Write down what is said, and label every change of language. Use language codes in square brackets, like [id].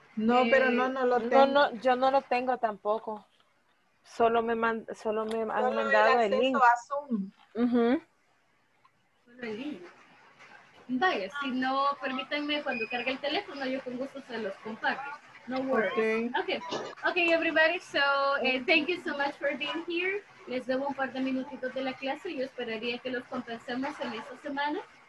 [es] No, pero no lo tengo. No, yo no lo tengo tampoco. Solo me han mandado el link. Solo el acceso a Zoom. Solo el link. Vaya, si no, permítanme cuando cargue el teléfono, yo con gusto se los comparto. [en] No worries. Okay, everybody, so thank you so much for being here. [es] Les debo un par de minutitos de la clase y yo esperaría que los compensemos en esta semana